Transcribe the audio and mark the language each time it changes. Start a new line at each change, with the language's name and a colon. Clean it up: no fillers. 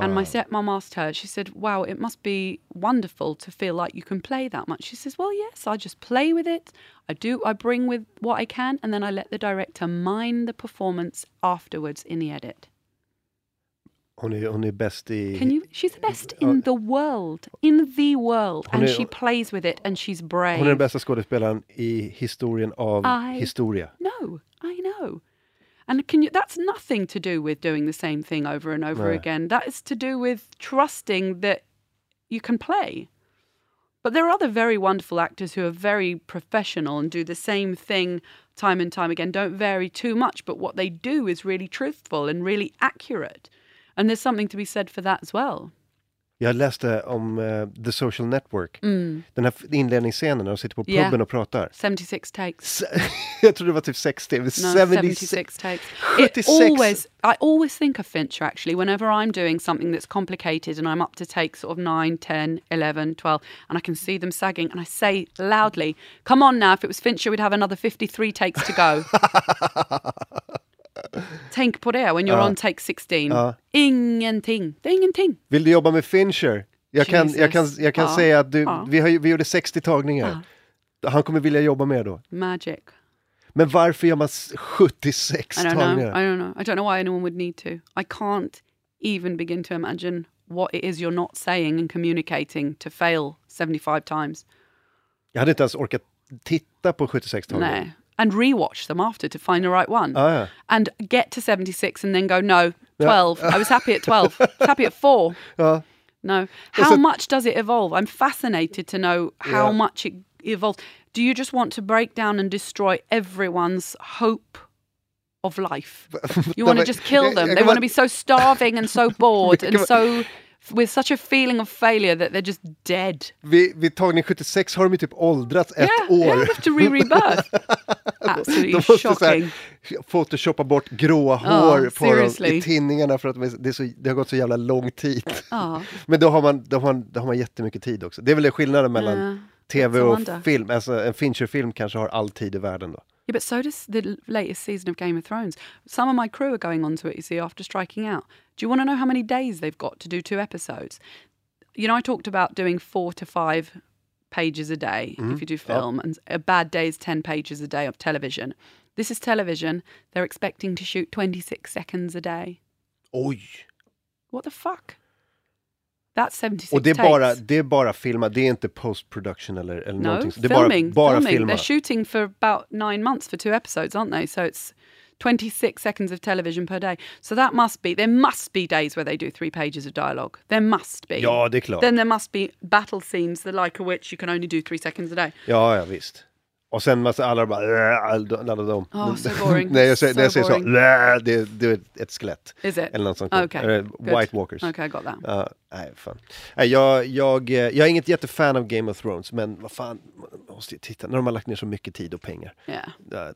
English: And my stepmom asked her, she said, wow, it must be wonderful to feel like you can play that much. She says, well, yes, I just play with it. I bring with what I can. And then I let the director mind the performance afterwards in the edit.
Swedish: Hon är bäst i...
English: She's the best in the world. In the world. And she plays with it and she's brave.
Swedish: Hon är den bästa skådespelaren i historien av historia.
English: No, I know. And that's nothing to do with doing the same thing over and over again. That is to do with trusting that you can play. But there are other very wonderful actors who are very professional and do the same thing time and time again. Don't vary too much, but what they do is really truthful and really accurate. And there's something to be said for that as well.
Swedish: Jag läste om The Social Network. Mm. Den här inledningsscenen när de sitter på puben och pratar.
English: 76 takes.
Swedish: Jag tror det var typ 60.
English: No, 76 takes. 76. I always think of Fincher, actually. Whenever I'm doing something that's complicated and I'm up to take sort of 9, 10, 11, 12, and I can see them sagging, and I say loudly, come on now, if it was Fincher, we'd have another 53 takes to go.
Swedish: Tänk på det,
English: when you're on take 16.
Swedish: Ingenting. Det är ingenting. Vill du jobba med Fincher? Jag kan säga att vi gjorde 60 tagningar. Han kommer vilja jobba med då.
English: Magic.
Swedish: Men varför gör man 76 tagningar?
English: I don't know why anyone would need to. I can't even begin to imagine what it is you're not saying and communicating to fail 75 times.
Swedish: Jag hade inte ens orkat titta på 76 tagningar. Nej.
English: And rewatch them after to find the right one. Oh, yeah. And get to 76 and then go, no, 12. Yeah. I was happy at 12. I was happy at 4. No. How much does it evolve? I'm fascinated to know how much it evolves. Do you just want to break down and destroy everyone's hope of life? You want to just kill them. They want to be so starving and so bored and so... With such a feeling of failure that they're just dead.
Swedish: Vid tagning 76 har de typ åldrats ett år.
English: Yeah, they have to re-rebirth. Absolutely
Swedish: de måste
English: shocking.
Swedish: Photoshoppa bort gråa hår på dem i tinningarna för att det har gått så jävla lång tid. Men då har man jättemycket tid också. Det är väl det skillnaden mellan tv och film. Alltså en Fincher-film kanske har all tid i världen då.
English: Yeah, but so does the latest season of Game of Thrones. Some of my crew are going on to it, you see, after striking out. Do you want to know how many days they've got to do two episodes? You know, I talked about doing 4 to 5 pages a day if you do film, and a bad day is 10 pages a day of television. This is television. They're expecting to shoot 26 seconds a day.
Swedish: Oj!
English: What the fuck? That's 76
Swedish: Och det är bara filma, det är inte post-production eller
English: no,
Swedish: någonting.
English: No,
Swedish: bara
English: filming. Filma. They're shooting for about 9 months for 2 episodes, aren't they? So it's 26 seconds of television per day. So that must be, there must be days where they do 3 pages of dialogue. There must be.
Swedish: Ja, det är klart.
English: Then there must be battle scenes, the like of which you can only do 3 seconds a day.
Swedish: Ja, visst. Och sen måste alla bara...
English: Oh, so boring.
Swedish: när jag säger så, det är ett skelett.
English: Is it?
Swedish: Eller något sånt.
English: Okay. White Walkers. Okay, I got that.
Swedish: Nej, fan. Nej, jag är inget jättefan av Game of Thrones, men vad fan, måste jag titta. När de har lagt ner så mycket tid och pengar.
English: Yeah.